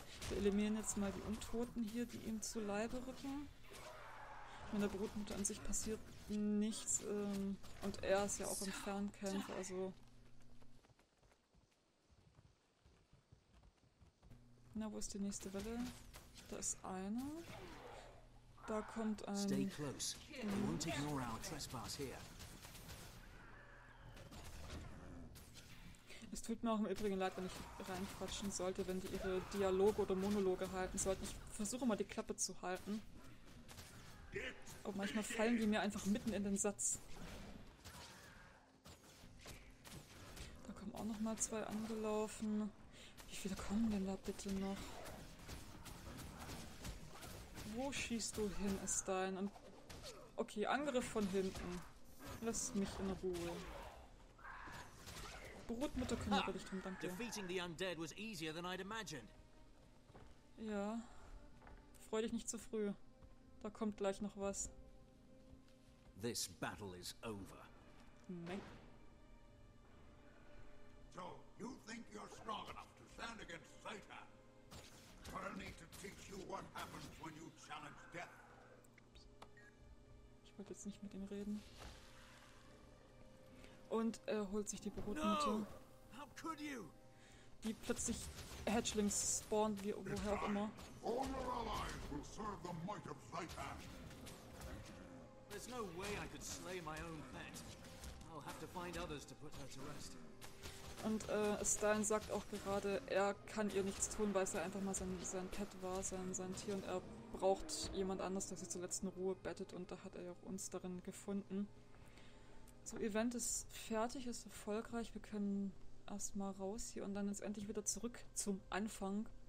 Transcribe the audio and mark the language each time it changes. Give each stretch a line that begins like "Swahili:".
German: Wir eliminieren jetzt mal die Untoten hier, die ihm zu Leibe rücken. Ich meine, der Brutmutter an sich passiert nichts. Und er ist ja auch im Fernkampf, also... Na, wo ist die nächste Welle? Da ist einer. Da kommt ein...
English: Stay close. We won't ignore our trespass here.
German: Es tut mir auch im Übrigen leid, wenn ich reinquatschen sollte, wenn die ihre Dialoge oder Monologe halten sollten. Ich versuche mal, die Klappe zu halten. Aber manchmal fallen die mir einfach mitten in den Satz. Da kommen auch nochmal zwei angelaufen. Wie viele kommen denn da bitte noch? Wo schießt du hin, Astyne? Und okay, Angriff von hinten. Lass mich in Ruhe. Brutmutter kümmere dich drum, danke.
English: Defeating the undead was easier than I'd imagined.
German: Ja. Freu dich nicht zu früh. Da kommt gleich noch was.
English: This battle is over.
German: Nein.
English: So, you think you're strong enough? Stand against Satan. But I'll need to teach you what happens when you challenge death.
German: Ich wollte jetzt nicht mit ihm reden. Und er holt sich die Brutmutter.
English: No! How could you?
German: Die plötzlich Hatchlings spawnt, wie woher auch immer.
English: All your allies will serve the might of Satan. There's no way I could slay my own pet. I'll have to find others to put her to rest.
German: Und Astyne sagt auch gerade, er kann ihr nichts tun, weil es ja einfach mal sein Pet war, sein Tier. Und er braucht jemand anders, der sie zur letzten Ruhe bettet. Und da hat er ja auch uns darin gefunden. So, Event ist fertig, ist erfolgreich. Wir können erstmal raus hier und dann jetzt endlich wieder zurück zum Anfang.